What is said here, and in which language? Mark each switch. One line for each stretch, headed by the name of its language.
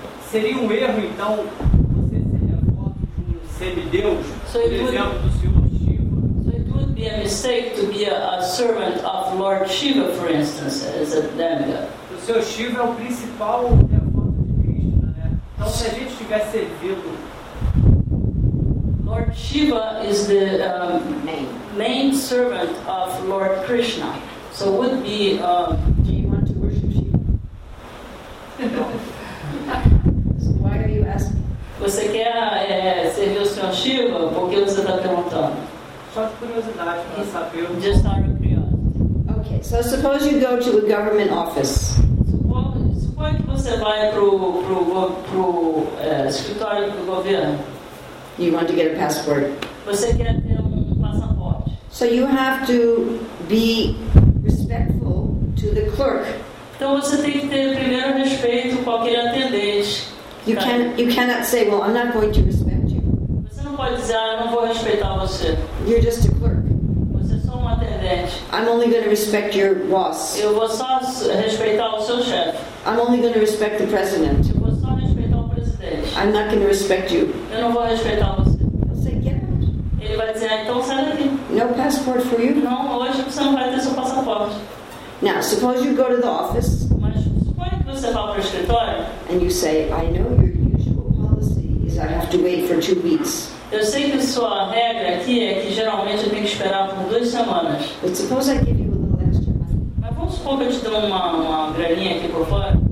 Portuguese: Seria um erro então você ser devoto de um semideus,
English: so
Portuguese: por exemplo, do Senhor Shiva?
English: So it would be a mistake to be a servant of Lord Shiva, for instance, as a demigod.
Portuguese: O Senhor Shiva é o principal devoto de Krishna, né? Então se a gente tivesse servido.
English: Lord Shiva is the main servant of Lord Krishna. So it would be. So why are you asking?
Portuguese: Você quer servir o Senhor Shiva? Por que você está perguntando? Só de curiosidade para saber.
English: Just out of curiosity. Okay, so suppose you go to the government office.
Portuguese: Suponha que você vai pro escritório do governo.
English: You want to get a passport.
Portuguese: Você quer ter passaporte.
English: So you have to be respectful to the clerk.
Portuguese: Então você tem que ter primeiro respeito com aquele atendente.
English: You cannot say, well, I'm not going to respect you.
Portuguese: Você não pode dizer, eu não vou respeitar você.
English: You're just a clerk.
Portuguese: Você é só um atendente.
English: I'm only going to respect your boss.
Portuguese: Eu vou só respeitar o seu chefe.
English: I'm only going to respect the president.
Portuguese: Eu vou só respeitar o presidente.
English: I'm not going to respect you.
Portuguese: Eu não vou respeitar você.
English: He'll say, get out.
Portuguese: Ele vai dizer, então sai daqui.
English: No passport for you.
Portuguese: Não, hoje você não vai ter seu passaporte.
English: Now, suppose you go to the office.
Portuguese: Mas suponha que você vá para o escritório.
English: And you say, I know your usual policy is I have to wait for 2 weeks.
Portuguese: Eu sei que sua regra aqui é que geralmente eu tenho que esperar por 2 semanas.
English: But suppose I give you a little extra money.
Portuguese: Mas vamos supor que eu te dou uma graninha aqui por fora.